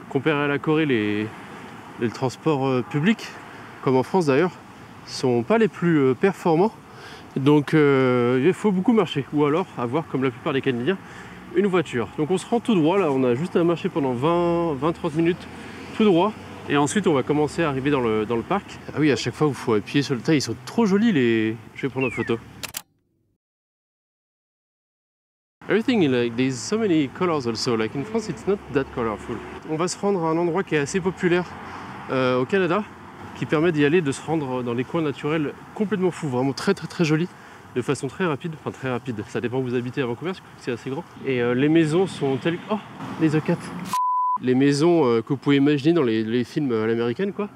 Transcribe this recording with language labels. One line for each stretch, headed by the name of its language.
French: Comparé à la Corée, les transports publics, comme en France d'ailleurs, sont pas les plus performants, donc il faut beaucoup marcher, ou alors avoir, comme la plupart des Canadiens, une voiture. Donc on se rend tout droit, là on a juste à marcher pendant 20-30 minutes tout droit, et ensuite on va commencer à arriver dans le parc. Ah oui, à chaque fois il faut appuyer sur le tas, ils sont trop jolis les... Je vais prendre une photo.
English: Everything is like, there's so many colors also, like in France it's not that colorful.
French: On va se rendre à un endroit qui est assez populaire au Canada, qui permet d'y aller, de se rendre dans les coins naturels complètement fous, vraiment très très très jolis, de façon très rapide, enfin très rapide, ça dépend où vous habitez à Vancouver, c'est assez grand. Et les maisons sont telles que... Oh, les E4. Les maisons que vous pouvez imaginer dans les films à l'américaine, quoi.